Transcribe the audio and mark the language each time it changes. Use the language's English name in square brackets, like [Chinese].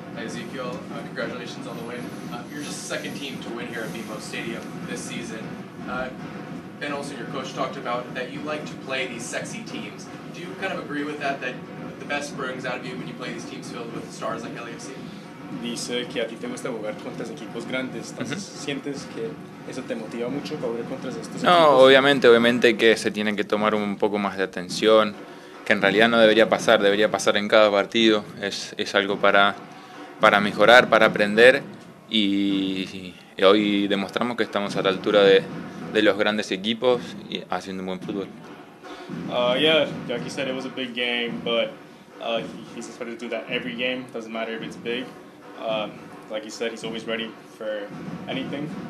[English] Ezequiel, congratulations on the win. You're just the second team to win here at BMO Stadium this season. Ben Olsen, your coach, talked about that you like to play these sexy teams. Do you kind of agree with that, that the best brings out of you when you play these teams filled with stars like LAFC? [Spanish] Dice que a ti te gusta jugar contra equipos grandes. ¿Sientes que eso te motiva mucho para jugar contra estos equipos? No, obviamente que se tienen que tomar un poco más de atención, que en realidad no debería pasar, debería pasar en cada partido. Es algo para mejorar, para aprender, y hoy demostramos que estamos a la altura de los grandes equipos y haciendo un buen fútbol. [English] Like you said, it was a big game, but he's expected to do that every game. Doesn't matter if it's big. Like you said, he's always ready for anything.